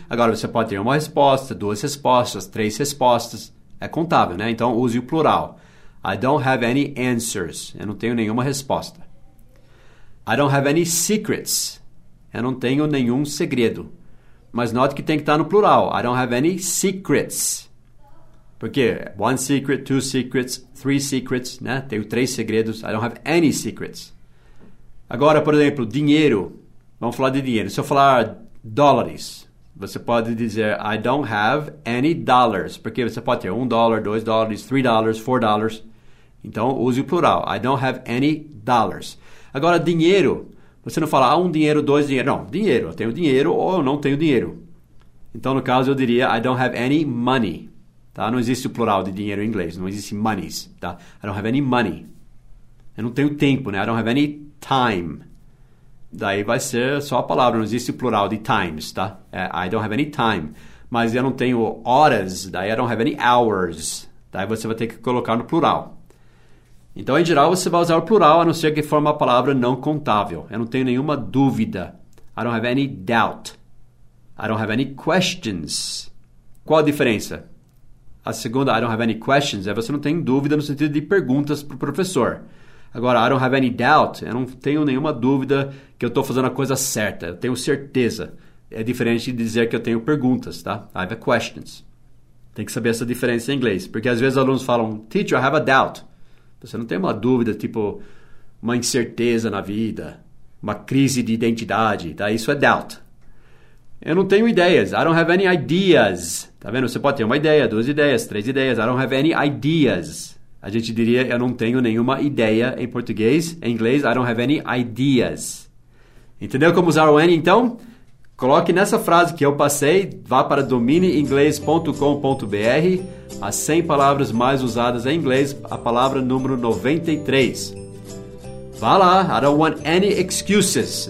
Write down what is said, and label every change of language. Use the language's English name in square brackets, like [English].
[Portuguese] Agora, você pode ter uma resposta, duas respostas, três respostas. É contável, né? Então, use o plural. [English] I don't have any answers. [Portuguese] Eu não tenho nenhuma resposta. [English] I don't have any secrets. [Portuguese] Eu não tenho nenhum segredo. Mas note que tem que estar no plural. [English] I don't have any secrets. [Portuguese] Por quê? [English] One secret, two secrets, three secrets, né? [Portuguese] Tenho três segredos. [English] I don't have any secrets. [Portuguese] Agora, por exemplo, dinheiro. Vamos falar de dinheiro. Se eu falar dólares, você pode dizer [English] I don't have any dollars. [Portuguese] Porque você pode ter $1, $2, $3, $4. Então, use o plural. [English] I don't have any dollars. [Portuguese] Agora, dinheiro. Você não fala dinheiro, dois dinheiro. Não, dinheiro. Eu tenho dinheiro ou eu não tenho dinheiro. Então, no caso, eu diria [English] I don't have any money. [Portuguese] Tá? Não existe o plural de dinheiro em inglês. Não existe monies. Tá? [English] I don't have any money. [Portuguese] Eu não tenho tempo, né? [English] I don't have any time. [Portuguese] Daí vai ser só a palavra. Não existe o plural de times, tá? É, [English] I don't have any time. [Portuguese] Mas eu não tenho horas. [English] Daí I don't have any hours. [Portuguese] Daí você vai ter que colocar no plural. Então, em geral, você vai usar o plural, a não ser que for uma palavra não contável. Eu não tenho nenhuma dúvida. [English] I don't have any doubt. I don't have any questions. [Portuguese] Qual a diferença? A segunda, [English] I don't have any questions, [Portuguese] é você não tem dúvida no sentido de perguntas para o professor. Agora, [English] I don't have any doubt, [Portuguese] eu não tenho nenhuma dúvida que eu estou fazendo a coisa certa. Eu tenho certeza. É diferente de dizer que eu tenho perguntas, tá? [English] I have questions. [Portuguese] Tem que saber essa diferença em inglês. Porque às vezes alunos falam, teacher, [English] I have a doubt. [Portuguese] Você não tem uma dúvida, tipo, uma incerteza na vida, uma crise de identidade, tá? Isso é doubt. Eu não tenho ideias. [English] I don't have any ideas. [Portuguese] Tá vendo? Você pode ter uma ideia, duas ideias, três ideias. [English] I don't have any ideas. [Portuguese] A gente diria, eu não tenho nenhuma ideia em português. Em inglês, [English] I don't have any ideas. [Portuguese] Entendeu como usar o any, então? Coloque nessa frase que eu passei, vá para domineinglês.com.br, as 100 palavras mais usadas em inglês, a palavra número 93. [English] Vá lá, I don't want any excuses.